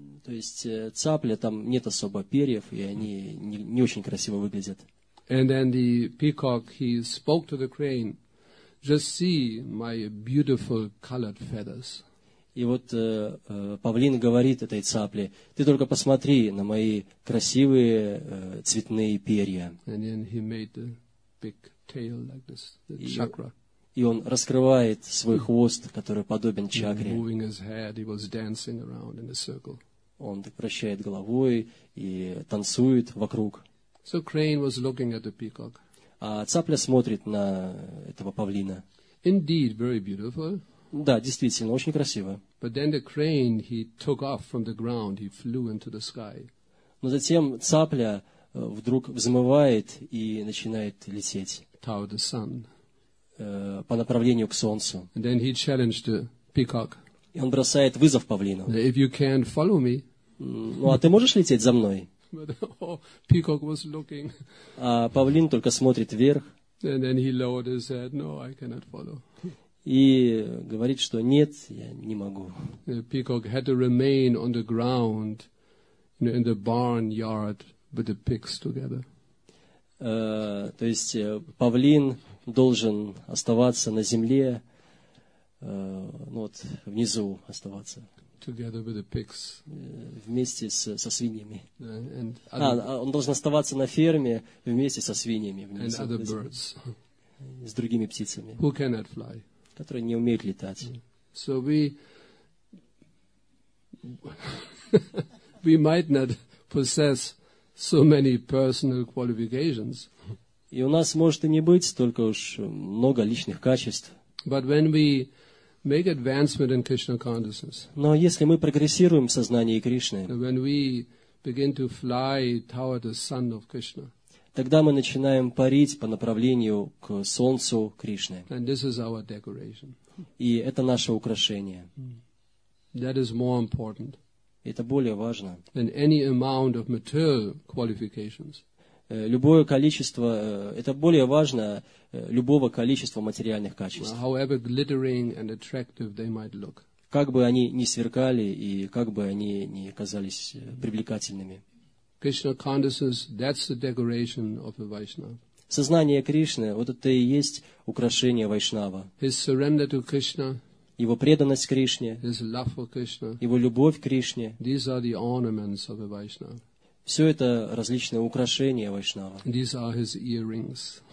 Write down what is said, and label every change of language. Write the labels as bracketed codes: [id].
[ru] То есть цапля, там нет особо перьев, и они не очень красиво выглядят. [en] And then the peacock, he spoke to the crane, just see my beautiful colored feathers. [ru] И вот павлин говорит этой цапле, ты только посмотри на мои красивые цветные перья. [en] And then he made the big tail like this, the chakra. [ru] И он раскрывает свой хвост, который подобен чакре. [en] Moving his head, he was dancing around in a circle. [ru] Он так вращает головой и танцует вокруг. [en] So crane was looking at the peacock. [ru] А цапля смотрит на этого павлина. [en] Indeed, very beautiful. [ru] Да, действительно, очень красиво. [en] But then the crane, he took off from the ground, he flew into the sky. [ru] Но затем цапля вдруг взмывает и начинает лететь. [en] Toward the sun. [ru] По направлению к солнцу. [en] And then he challenged the peacock. [ru] И он бросает вызов павлину. [en] If you can follow me. [ru] Ну, а ты можешь лететь за мной? [en] But, oh, peacock was looking. [ru] А павлин только смотрит вверх. [en] And then he lowered his head. No, I cannot follow. [ru] И говорит, что нет, я не могу. [en] The peacock had to remain on the ground, you know, in the barnyard with the pigs together. [ru] То есть павлин должен оставаться на земле, ну вот внизу оставаться. [en] Together with the pigs. [ru] Вместе со свиньями. [en] And [ru] он должен оставаться на ферме вместе со свиньями. [en] And other birds. [ru] С другими птицами. [en] Who cannot fly. [ru] Которые не умеют летать. [en] So we might not possess so many personal qualifications. [ru] И у нас может и не быть столько уж много личных качеств. [en] But when we make advancement in Krishna consciousness. [ru] Но если мы прогрессируем в сознании Кришны, [en] when we begin to fly toward the sun of Krishna, [ru] тогда мы начинаем парить по направлению к солнцу Кришны. [en] And this is our decoration. [ru] И это наше украшение. [en] That is more important. [ru] Это более важно. [en] Than any amount of material qualifications. [ru] Любое количество, это более важно любого количества материальных качеств. [en] However glittering and attractive they might look. [ru] Как бы они ни сверкали и как бы они ни казались привлекательными. [en] Krishna consciousness, that's the decoration of a Vaishnava. [ru] Сознание Кришны, вот это и есть украшение Вайшнава. [en] His surrender to Krishna, [ru] его преданность Кришне, [en] his love for Krishna, [ru] его любовь к Кришне. [en] These are the ornaments of a Vaishnava. [ru] Все это различные украшения Вайшнава. [en] These are his earrings.